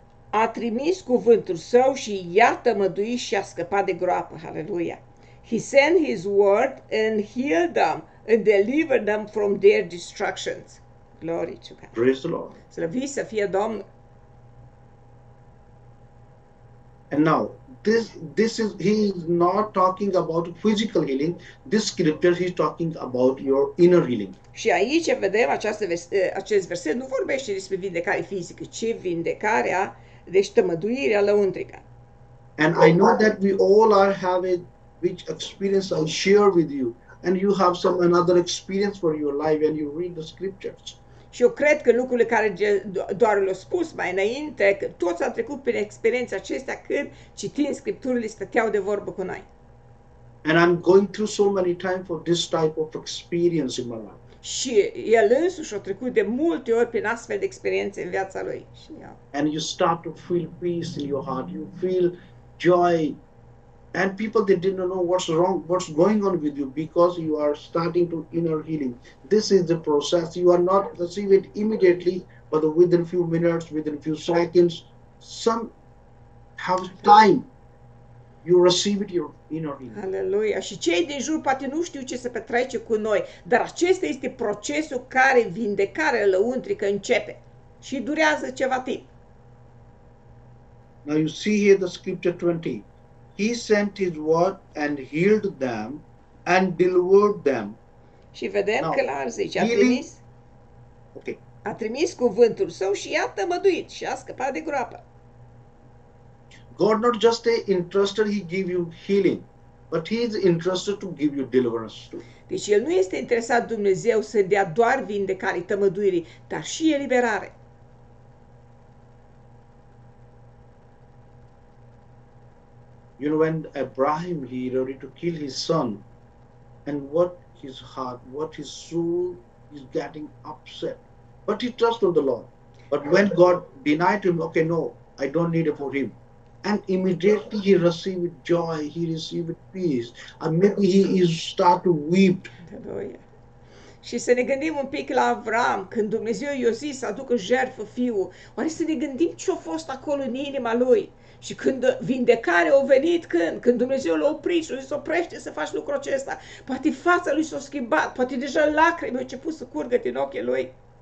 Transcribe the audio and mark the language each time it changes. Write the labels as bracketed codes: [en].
[ro] A trimis cuvântul său și i-a tămăduit și a scăpat de groapă. Hallelujah. [en] He sent his word and healed them and delivered them from their destructions. Glory to God. Praise the Lord. [ro] Slăvi să fie Domnul. [en] And now, this is, he is not talking about physical healing. This scripture, he is talking about your inner healing. [ro] Și aici vedem acest verset nu vorbește despre vindecare fizică, ci vindecarea, deci tămăduirea lăuntrică. [en] And I know that we all are having which experience I share with you, and you have some another experience for your life when you read the scriptures. [ro] Și eu cred că lucrurile care doar le-au spus mai înainte, că toți au trecut prin experiența acestea când citind scripturile stăteau de vorbă cu noi. [en] And I'm going through so many times for this type of experience in my life. [ro] Și el însuși a trecut de multe ori prin astfel de experiențe în viața lui. Și eu. [en] And you start to feel peace in your heart. You feel joy. And people, they didn't know what's wrong, what's going on with you because you are starting to inner healing. This is the process. You are not receive it immediately, but within a few minutes, within a few seconds, some have time, you receive it, your inner healing. Aleluia. [ro] Și cei din jur poate nu știu ce se petrece cu noi, dar acesta este procesul care vindecarea lăuntrică începe și durează ceva timp. [en] Now you see here the scripture 20. He sent his word and healed them and delivered them. [ro] Și vedem [en] now, [ro] clar, zice, a [en] healing, [ro] trimis, a trimis cuvântul său și i-a tămăduit și a scăpat de groapă. [en] God not just a interested he give you healing, but he is interested to give you deliverance too. [ro] Deci el nu este interesat Dumnezeu să dea doar vindecare, tămăduire, dar și eliberare. [en] You know when Abraham he ready to kill his son, and what his heart, what his soul is getting upset, but he trusted the Lord. But when God denied him, okay, no, I don't need it for him, and immediately he received joy, he received peace, and maybe he is start to weep. [ro] Și să ne gândim un pic la Avram, când Dumnezeu i-a zis să aducă jertfă fiul. Oare să ne gândim ce a fost acolo în inima lui? Și când vindecarea a venit, când Dumnezeu l-a oprit și a zis oprește să faci lucrul acesta, poate fața lui s-a schimbat, poate deja lacrimi au început să curgă din ochii lui.